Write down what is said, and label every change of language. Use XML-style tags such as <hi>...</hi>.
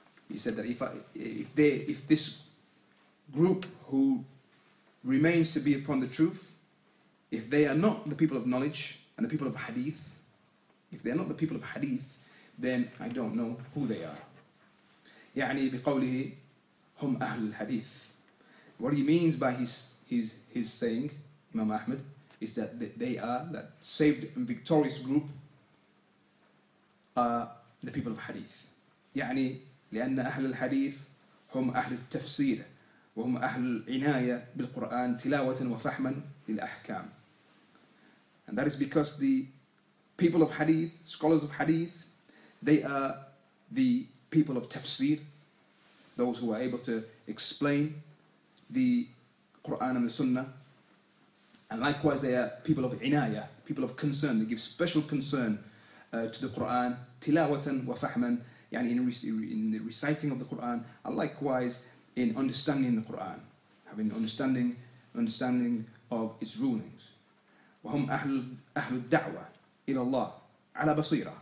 <en>He said that if this group who remains to be upon the truth, if they are not the people of knowledge and the people of hadith, if they are not the people of hadith, then I don't know who they are.</en> <ar>يعني بقوله هم أهل الحديث.</ar> <en>What he means by his saying, Imam Ahmad, is that they are, that saved and victorious group, are the people of hadith.</en> <ar>يعني لأن أهل الحديث هم أهل التفسير وهم أهل العناية بالقرآن تلاوة وفحما للأحكام.</ar> <en>And that is because the people of hadith, scholars of hadith, they are the people of tafsir, those who are able to explain the Quran and the Sunnah. And likewise, they are people of inayah, people of concern. They give special concern to the Quran,</en> <ar>tilawatan wa fahman,</ar> <en>yani in the reciting of the Quran, and likewise in understanding the Quran, having understanding of its rulings.</en> <ar>وَهُمْ أَهْلُ الدَّعْوَةِ إِلَى اللَّهِ ala basira.</ar>